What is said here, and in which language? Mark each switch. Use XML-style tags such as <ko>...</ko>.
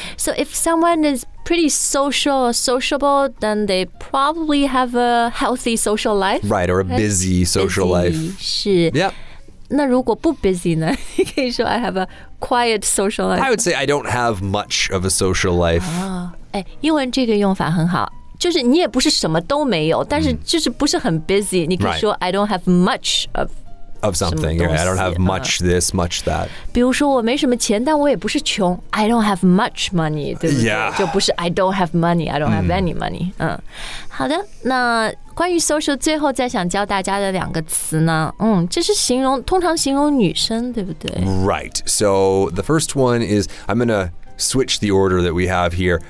<en>So if someone is pretty social or sociable, then they probably have a healthy social life. Right, or a busy social life.</en> <zh>是。</zh> <en>Yep.</en> <zh>那如果不 busy 呢?你可以说</zh> <en>I have a quiet social life. I would say I don't have much of a social life.</en> <zh>哎，英文这个用法很好，就是你也不是什么都没有，但是就是不是很 busy. 你可以说</zh> <en>I don't have much of something. Right? I don't have much this, much that.</en> <zh>比如说我没什么钱，但我也不是穷。</zh> <en>I don't have much money,</en> <zh>对不对？</zh> <en>Yeah.</en> <zh>就不是</zh> <en>I don't have money, I don't have any money.</en> <zh>好的，那关于 social 最后再想教大家的两个词呢，这是形容，通常形容女生，对不对？</zh> <en>Right. So the first one is, I'm going to switch the order that we have here.</en>